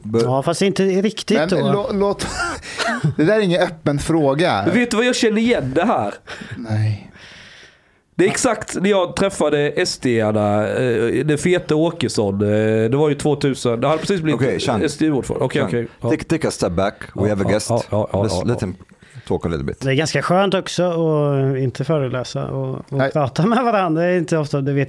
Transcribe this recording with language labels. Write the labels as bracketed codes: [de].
[sv] Ja, fast inte riktigt. Men, då. Det där är ingen öppen fråga. Men vet du vad jag känner igen det här? Nej. Det är exakt när jag träffade SD-arna, den fete Åkesson, det var ju 2000, det hade precis blivit SD-ordförande. [en] Take a step back, we have a guest, let him talk a little bit. [sv] Det är ganska skönt också att inte föreläsa och prata med varandra, det är inte ofta, det vet